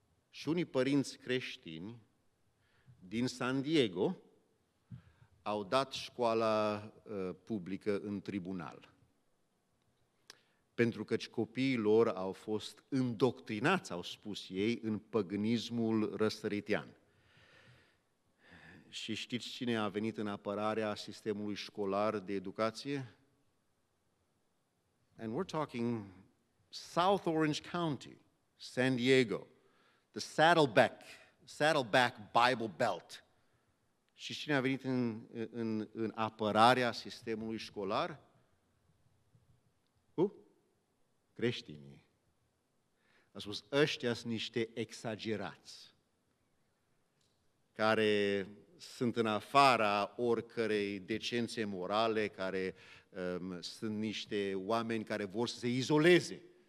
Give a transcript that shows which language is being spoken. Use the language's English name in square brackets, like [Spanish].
[Romanian] Și unii părinți creștini din San Diego au dat școala publică în tribunal. Pentru că copiii lor au fost indoctrinați, au spus ei, în păgânismul răsăritian. Și știți cine a venit în apărarea sistemului școlar de educație? [English] And we're talking South Orange County, San Diego, the Saddleback Bible Belt. [Romanian] Și cine a venit în apărarea sistemului școlar? Cu? Creștinii. A spus, ăștia sunt niște exagerați, care sunt în afara oricărei decențe morale, care sunt niște oameni care vor să se izoleze.